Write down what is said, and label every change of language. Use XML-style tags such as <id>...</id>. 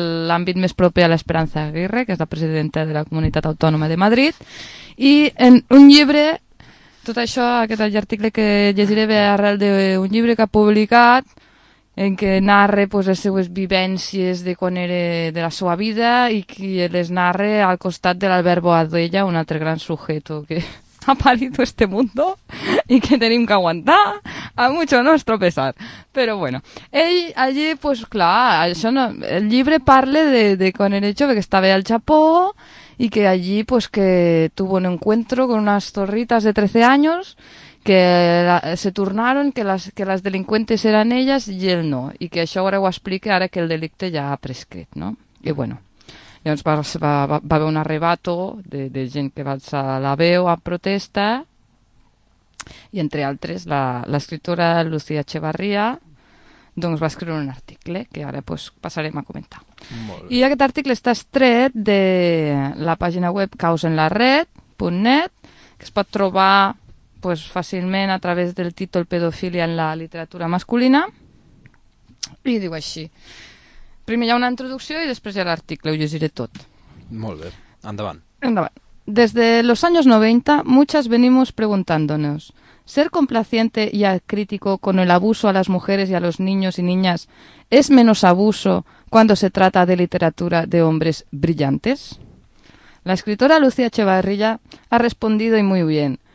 <ca>l'àmbit més proper a l'Esperanza Aguirre, que és la presidenta de la Comunitat Autònoma de Madrid, i en un llibre, tot això, aquest article que llegiré ve arrel d'un llibre que ha publicat, en què narra pues, les seues vivències de quan era de la seva vida i que les narra al costat de l'Albert Boadella, un altre gran</ca> <es>sujeto que ha parido este mundo</es> <ca>i que tenim que aguantar</ca> <es>a mucho nuestro pesar.</es> <ca>Però bueno, ell allí, pues clar, això no, el llibre parla de quan era jove, que estava al Japó i que allí pues que</ca> <es>tuvo un encuentro con unas zorritas de 13 años que se tornaron, que las delincuentes eran ellas y él no.</es> <ca>Y que això ara ho explique ara que el delicte ja ha prescrit, no? I bueno, llavors va haver un arrebato de gent que va alçar la veu a protesta i, entre altres, l'escriptora Lucía Echevarría doncs va escriure un article que ara pues, passarem a comentar. Molt bé. I aquest article està extret de la pàgina web causenlared.net, que es pot trobar pues fàcilment a través del títol Pedofilia en la literatura masculina, i diu així. Primer hi ha una introducció i després hi ha l'article, ho llegiré tot. Molt bé, endavant. Endavant.</ca> <es>Desde los años 90, muchas venimos preguntándonos, ¿ser complaciente y acrítico con el abuso a las mujeres y a los niños y niñas es menos abuso cuando se trata de literatura de hombres brillantes? La escritora Lucía Echevarría ha respondido y muy bien.</es>